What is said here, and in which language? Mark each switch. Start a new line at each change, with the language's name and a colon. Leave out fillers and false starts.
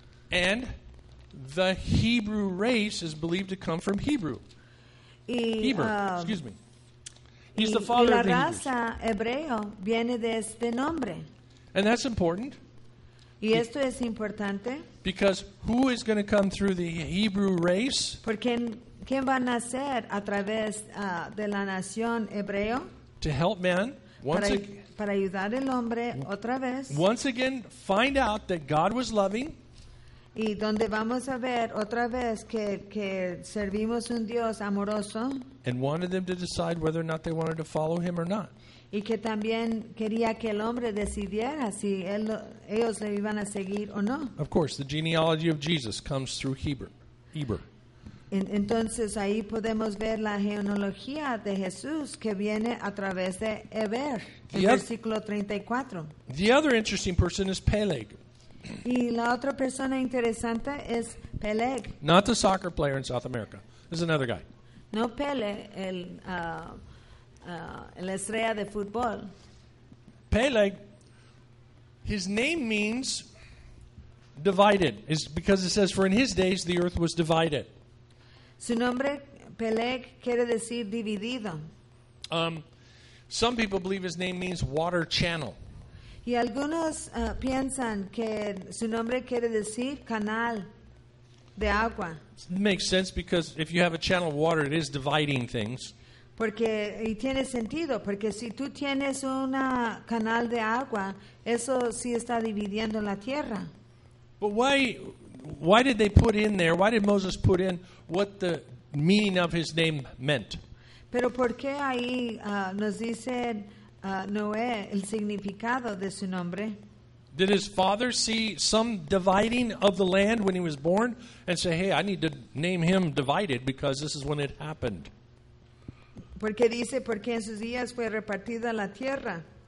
English: And the Hebrew race is believed to come from Hebrew. Heber. He's the father of the Hebrews.
Spanish: Y la raza hebreo viene de este nombre.
English: And that's important.
Spanish: Y esto es importante.
English: Because who is going to come through the Hebrew race?
Spanish: ¿Por quién va a nacer a través de la nación hebreo?
English: To help man.
Spanish: Para ayudar al hombre otra vez.
English: Once again, find out that God was loving.
Spanish: Y donde vamos a ver otra vez que servimos un Dios amoroso.
English: And wanted them to decide whether or not they wanted to follow him or not.
Spanish: Y que también quería que el hombre decidiera si ellos le iban a seguir o no.
English: Of course, the genealogy of Jesus comes through Heber.
Spanish: Entonces ahí podemos ver la genealogía de Jesús que viene a través de Heber, versículo 34.
English: The other interesting person is Peleg.
Spanish: Y la otra persona interesante es Peleg.
English: Not the soccer player in South America. This is another guy.
Spanish: No Pele, el la estrella de fútbol.
English: Peleg, his name means divided. It's because it says, for in his days the earth was divided.
Spanish: Su nombre, Peleg, quiere decir dividido.
English: Some people believe his name means water channel.
Spanish: Y algunos piensan que su nombre quiere decir canal de agua.
English: It makes sense because if you have a channel of water, it is dividing things.
Spanish: Porque y tiene sentido porque si tú tienes un canal de agua, eso sí está dividiendo la tierra.
English: But why did they put in there? Why did Moses put in what the meaning of his name meant?
Spanish: Pero ¿por qué ahí nos dice Noé el significado de su nombre?
English: Did his father see some dividing of the land when he was born and say, "Hey, I need to name him divided because this is when it happened"?
Spanish: Porque dice, porque en sus días fue repartida la tierra.